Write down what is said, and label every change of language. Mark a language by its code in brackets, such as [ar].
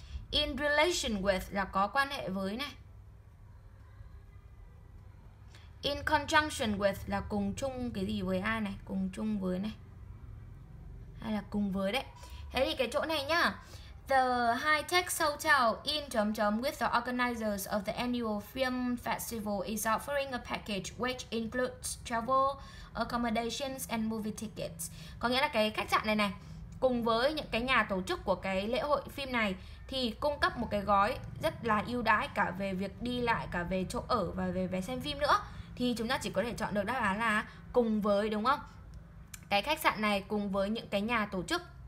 [vi] In relation with là có quan hệ với này. In conjunction with là cùng chung cái gì với ai này, cùng chung với này, hay là cùng với đấy. Thế thì cái chỗ này nhá, [en] the high tech hotel in [vi] chấm chấm [en] with the organizers of the annual film festival is offering a package which includes travel, accommodations and movie tickets. [vi] Có nghĩa là cái khách sạn này này cùng với những cái nhà tổ chức của cái lễ hội phim này thì cung cấp một cái gói rất là ưu đãi cả về việc đi lại, cả về chỗ ở và về vé xem phim nữa. Thì chúng ta chỉ có thể chọn được đáp án là cùng với đúng không? Cái khách sạn này cùng với những cái nhà tổ chức.